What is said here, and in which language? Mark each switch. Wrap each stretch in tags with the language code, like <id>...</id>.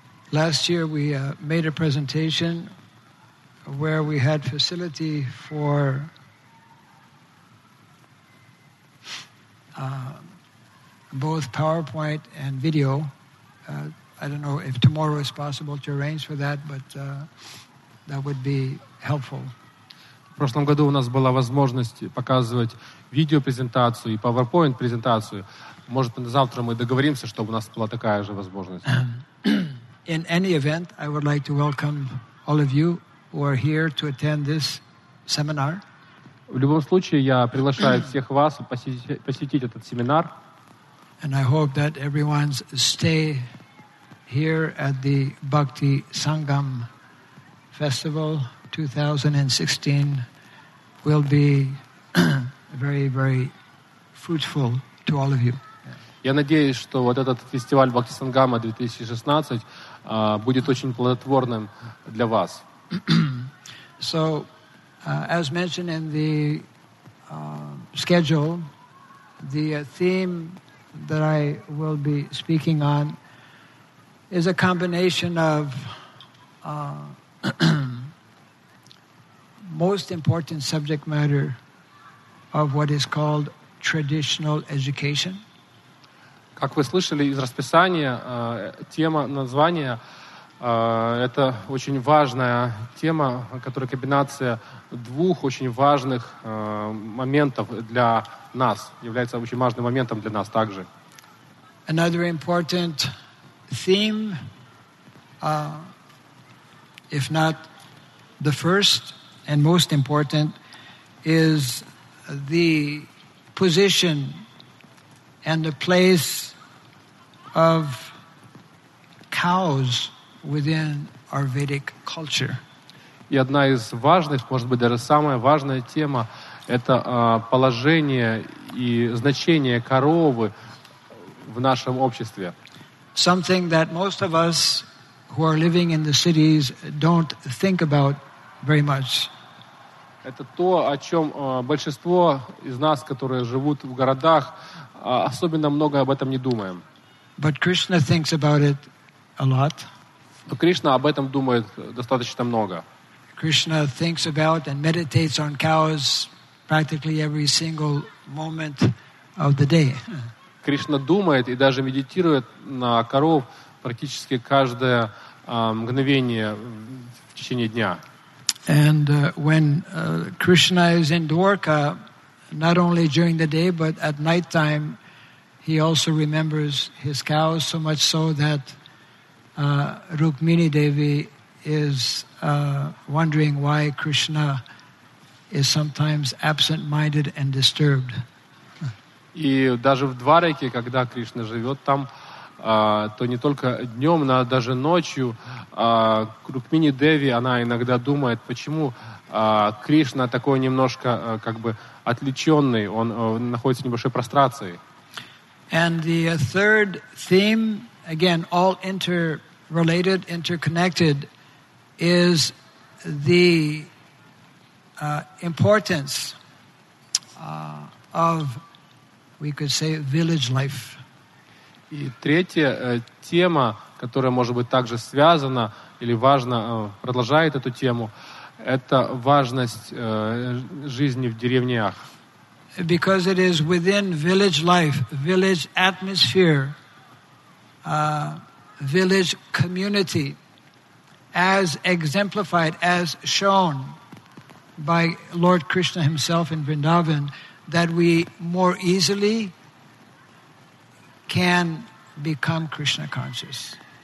<en>Last year we made a presentation where we had facility for both PowerPoint and video. I don't know if tomorrow is possible to arrange for that, but that would be helpful.</en> <ru>В прошлом году у нас была возможность показывать видеопрезентацию и PowerPoint презентацию. Может, завтра мы договоримся, чтобы у нас была такая же возможность.</ru> <en>In any event, I would like to welcome all of you who are here to attend this seminar.</en> <ru>В любом случае, я приглашаю всех вас посетить этот семинар.</ru> <en>And I hope that everyone's stay here at the Bhakti Sangam Festival 2016 will be very, very fruitful to all of you.</en> <ru>Я надеюсь, что вот этот фестиваль Бхакти Сангама 2016 будет очень плодотворным для вас.</ru> <en>So, as mentioned in the schedule, the theme that I will be speaking on is a combination of most important subject matter of what is called traditional education.</en> <ru>Как вы слышали из расписания, тема названия это очень важная тема, которая комбинация двух очень важных моментов для нас, является очень важным моментом для нас также.</ru> <en>Another important theme, if not the first and most important, is the position and the place of cows within our Vedic culture.</en> <ru>И одна из важных, может быть, даже самая важная тема — это положение и значение коровы в нашем обществе.</ru> <en>Something that most of us who are living in the cities don't think about very much.</en> <ru>Это то, о чем большинство из нас, которые живут в городах, особенно много об этом не думаем.</ru> <en>But Krishna thinks about it a lot.</en> <ru>Но Кришна об этом думает достаточно много.</ru> <en>Krishna thinks about and meditates on cows practically every single moment of the day.</en> <ru>Кришна думает и даже медитирует на коров практически каждое мгновение в течение дня.</ru> <en>And when Krishna is in Dwarka, not only during the day, but at night time, he also remembers his cows, so much so that Rukmini Devi is wondering why Krishna is sometimes absent-minded and disturbed.</en> <ru>И даже в Двараке, когда Кришна живет там, то не только днем, но даже ночью Рукмини Деви, она иногда думает, почему Кришна такой немножко как бы отвлеченный, он находится в небольшой прострации.</ru> <en>And the third theme, again, all interrelated, interconnected, is the importance of, we could say, village life.</en> <ru>И третья тема, которая, может быть, также связана или важно продолжает эту тему, это важность жизни в деревнях.</ru> <en>Because it is within village life, village atmosphere, village community, as exemplified, as shown by Lord Krishna himself in Vrindavan, that we more easily can become Krishna conscious.</en>